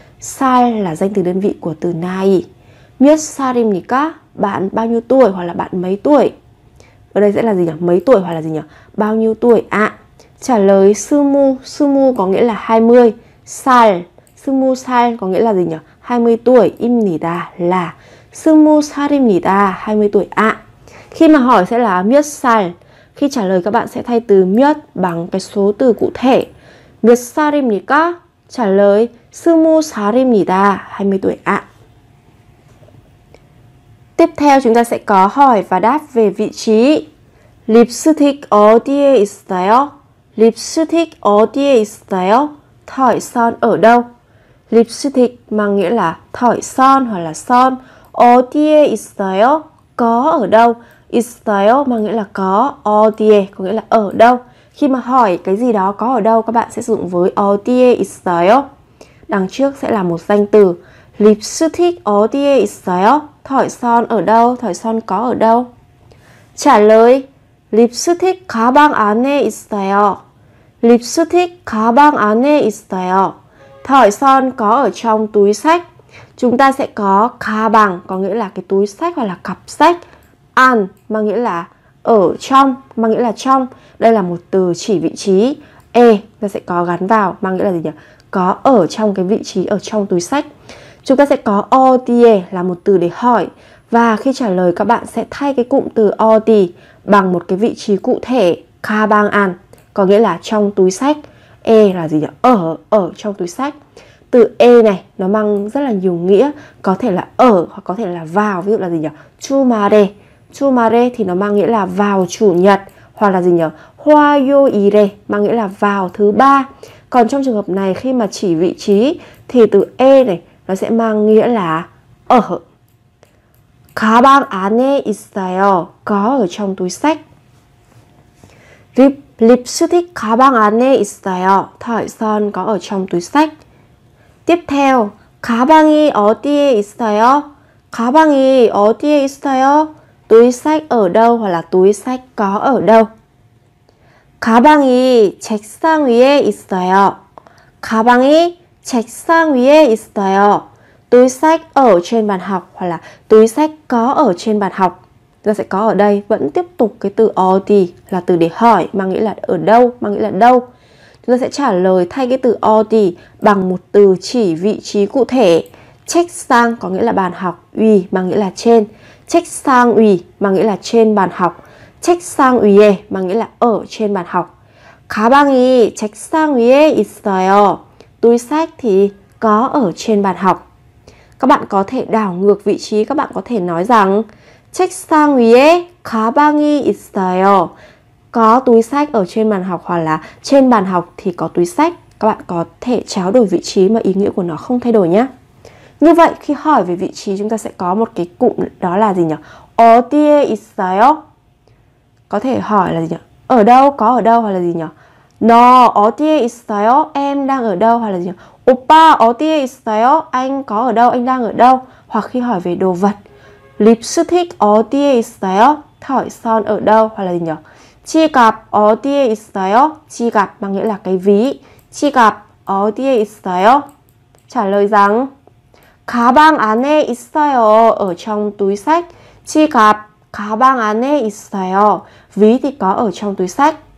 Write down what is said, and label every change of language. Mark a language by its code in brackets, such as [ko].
[vi] 살 là danh từ đơn vị của từ 나이. [ko] 몇 살입니까? [vi] Bạn bao nhiêu tuổi hoặc là bạn mấy tuổi? Ở đây sẽ là gì nhỉ? Mấy tuổi hoặc là gì nhỉ? Bao nhiêu tuổi ạ? Trả lời 스무. 스무 có nghĩa là 20. [ko] 살. [vi] 스무 살 có nghĩa là gì nhỉ? 20 tuổi. [ko] 입니다 là 스무 살입니다. [vi] 20 tuổi ạ. Khi mà hỏi sẽ là 몇 살. Khi trả lời các bạn sẽ thay từ 몇 bằng cái số từ cụ thể. [ko] 몇 살입니까? [vi] Trả lời [ko] 스무 살입니다. [vi] 20 tuổi ạ. Tiếp theo chúng ta sẽ có hỏi và đáp về vị trí. [ko] Lipstick 어디에 있어요? Lipstick 어디에 있어요? [vi] Thỏi son ở đâu? Lipstick mang nghĩa là thỏi son hoặc là son. [ko] 어디에 있어요? [vi] Có ở đâu? 있어요 mang nghĩa là có. 어디에 có nghĩa là ở đâu. Khi mà hỏi cái gì đó có ở đâu, các bạn sẽ dùng với [ko] 어디에 있어요. [vi] Đằng trước sẽ là một danh từ. [ko] Lipstick 어디에 있어요? [vi] Thỏi son ở đâu? Thỏi son có ở đâu? Trả lời. [ko] Lipstick 가방 안에 있어요. Lipstick 가방 안에 있어요. [vi] Thỏi son có ở trong túi sách. Chúng ta sẽ có 가방 có nghĩa là cái túi sách hoặc là cặp sách. An mang nghĩa là ở trong, mang nghĩa là trong. Đây là một từ chỉ vị trí. E ta sẽ có gắn vào mang nghĩa là gì nhỉ? Có ở trong cái vị trí ở trong túi sách. Chúng ta sẽ có 어디에 là một từ để hỏi. Và khi trả lời các bạn sẽ thay cái cụm từ 어디 bằng một cái vị trí cụ thể. 가방 안 có nghĩa là trong túi sách. E là gì nhỉ? Ở trong túi sách. Từ E này nó mang rất là nhiều nghĩa. Có thể là ở hoặc có thể là vào. Ví dụ là gì nhỉ? 주말에. 주말에 thì nó mang nghĩa là vào chủ nhật. Hoặc là gì nhỉ? 화요일에 mang nghĩa là vào thứ ba. Còn trong trường hợp này khi mà chỉ vị trí thì từ E này nó sẽ mang nghĩa là ở. [ko] 가방 안에 있어요. [vi] Có ở trong túi sách. [ko] Lipstick 가방 안에 있어요. [vi] Thỏi son có ở trong túi sách. Tiếp theo, [ko] 가방이 어디에 있어요? 가방이 어디에 있어요? [vi] Túi sách ở đâu hoặc là túi sách có ở đâu? [ko] 가방이 책상 위에 있어요. 가방이 책상 위에 있어요. [vi] Túi sách ở trên bàn học hoặc là túi sách có ở trên bàn học. Ta sẽ có ở đây, vẫn tiếp tục cái từ 어디 là từ để hỏi, mang nghĩa là ở đâu, mang nghĩa là đâu. Chúng ta sẽ trả lời thay cái từ 어디 bằng một từ chỉ vị trí cụ thể. 책상 có nghĩa là bàn học, 위 mang nghĩa là trên. 책상 위 mang nghĩa là trên bàn học. 책상 위에 mang nghĩa là ở trên bàn học. [ko] 가방이 책상 위에 있어요. [vi] Túi sách thì có ở trên bàn học. Các bạn có thể đảo ngược vị trí, các bạn có thể nói rằng [ko] 책상 위에 가방이 있어요. [vi] Có túi sách ở trên bàn học hoặc là trên bàn học thì có túi sách. Các bạn có thể tráo đổi vị trí mà ý nghĩa của nó không thay đổi nhé. Như vậy khi hỏi về vị trí chúng ta sẽ có một cái cụm đó là gì nhỉ? [ko] 어디에 있어요? [vi] Có thể hỏi là gì nhỉ? Ở đâu, có ở đâu hoặc là gì nhỉ? [ko] 너 어디에 있어요? [vi] Em đang ở đâu hoặc là gì nhỉ? [ko] 오빠 어디에 있어요? [vi] Anh có ở đâu, anh đang ở đâu? Hoặc khi hỏi về đồ vật. [ko] Lipstick 어디에 있어요? [vi] Thỏi son ở đâu? Hoặc là gì nhỉ? [ko] 지갑 어디에 있어요? [vi] 지갑 mang nghĩa là cái ví. [ko] 지갑 어디에 있어요? [vi] Trả lời rằng [ko] 가방 안에 있어요. [vi] Ở trong túi sách. [ko] 지갑 가방 안에 있어요. [vi] Ví thì có ở trong túi sách.